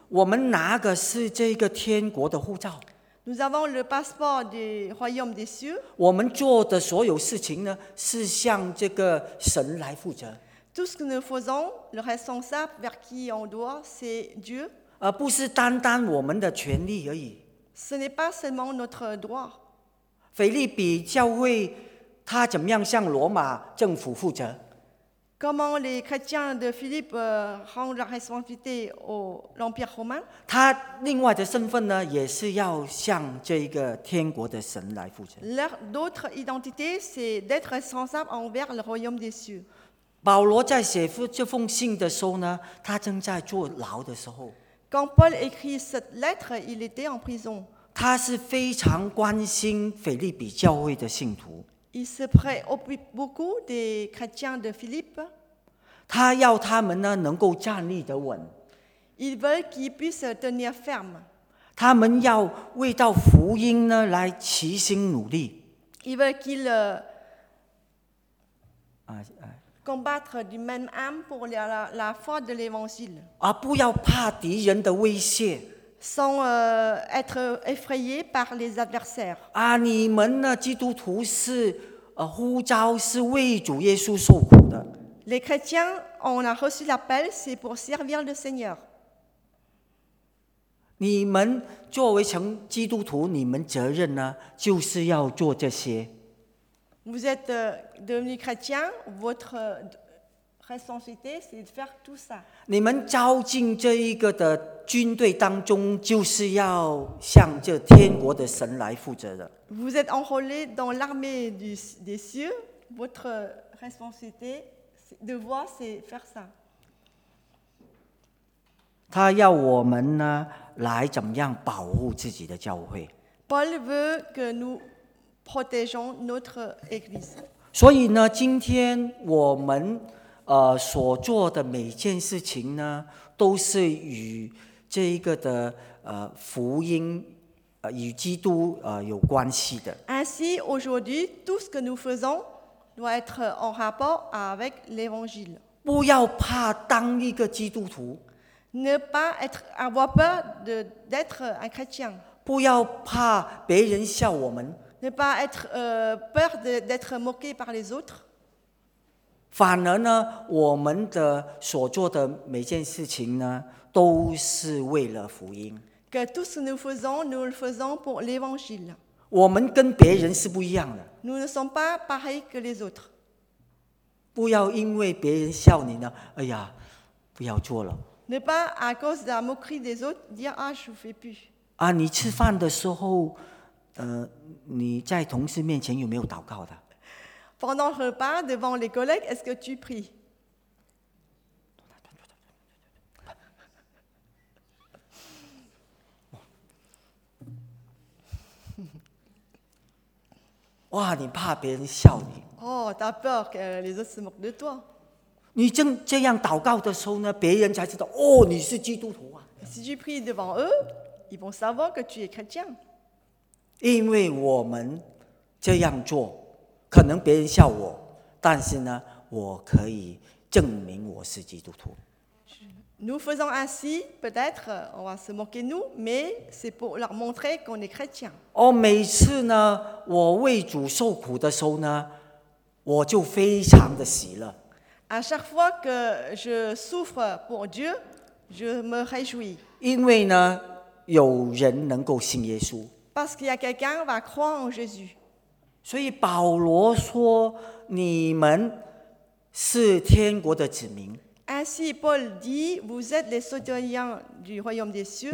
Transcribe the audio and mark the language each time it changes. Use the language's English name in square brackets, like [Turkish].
[Chinese] 我们拿的是这个天国的护照。 [French] Nous avons le passeport du royaume des cieux. [Chinese] 我们做的所有事情呢，是向这个神来负责。 [French] Tout ce que nous faisons, le responsable vers qui on doit, c'est Dieu. [Chinese] 不是单单我们的权利而已。 [French] Ce n'est pas seulement notre droit. [Chinese] 腓立比教会他怎么样向罗马政府负责？ [French] Comment les chrétiens de Philippe rendent leur responsabilité à l'Empire romain? [Chinese] 他另外的身份呢，也是要向这个天国的神来负责。 [French] Leur d'autre identité, c'est d'être responsable envers le royaume des cieux. [Chinese] 保罗在写这封信的时候呢，他正在坐牢的时候。 [French] Quand Paul écrit cette lettre, il était en prison. [Chinese] 他是非常关心腓立比教会的信徒。 [French] Il se préoccupe beaucoup des chrétiens de Philippe. [Chinese] 他要他们呢能够站立得稳。 [French] Il veut qu'ils puissent tenir ferme. [Chinese] 他们要为到福音呢来齐心努力。 [French] Il veut qu'ils combattre du même âme pour la foi de l'Évangile. [Chinese] 啊，不要怕敌人的威胁。 [French] Sans être effrayé par les adversaires. [Chinese] 啊，你们呢，基督徒是呼召是为主耶稣受苦的。 [French] Les chrétiens, on a reçu l'appel, c'est pour servir le Seigneur. [Chinese] 你们作为成基督徒，你们责任呢，就是要做这些。 [French] Vous êtes devenu chrétien, votre responsabilité c'est de faire tout ça. [Chinese] 你们招进这一个的军队当中，就是要向这天国的神来负责的。 [French] Vous êtes enrôlé dans l'armée des cieux, votre responsabilité de voir c'est faire ça. [Chinese] 他要我们呢？来怎么样保护自己的教会 [French] ？Paul veut que nous protégeons notre église. [Chinese] 所以呢，今天我们所做的每件事情呢，都是与这一个的福音与基督有关系的。 [French] Ainsi, aujourd'hui, tout ce que nous faisons doit être en rapport avec l'évangile. [Chinese] 不要怕当一个基督徒。 [French] Ne pas être, avoir peur de, d'être un chrétien. [Chinese] 不要怕别人笑我们。 [French] Ne pas être peur de, d'être moqué par les autres. [Chinese] 反而呢，我们的所做的每件事情呢，都是为了福音。 [French] Que tout ce que nous faisons, nous le faisons pour l'évangile. [Chinese] 我们跟别人是不一样的。 [French] Nous ne sommes pas pareils que les autres. [Chinese] 不要因为别人笑你呢，哎呀，不要做了。 [French] Ne pas à cause de la moquerie des autres dire ah je ne fais plus. [Chinese] 啊，你吃饭的时候，你在同事面前有没有祷告的 [French] ？Pendant le repas devant les collègues, est-ce que tu pries? [Chinese] 哇，你怕别人笑你 [French] ？Oh, t'as peur que les autres se moquent de toi? [Chinese] 你正这样祷告的时候呢，别人才知道哦，你是基督徒啊。 [French] Si tu pries devant eux, ils vont savoir que tu es chrétien. [Chinese] 因为我们这样做，可能别人笑我，但是呢，我可以证明我是基督徒。 [French] Nous faisons ainsi, peut-être on va se moquer nous, mais c'est pour leur montrer qu'on est chrétien. [Chinese] 哦，每次呢，我为主受苦的时候呢，我就非常的喜乐。 [French] À chaque fois que je souffre pour Dieu, je me réjouis. [Chinese] 因为呢，有人能够信耶稣。 [French] Parce qu'il y a quelqu'un qui va croire en Jésus. [Chinese] 所以保罗说，你们是天国的子民。 [French] Ainsi Paul dit, vous êtes les citoyens du royaume des cieux.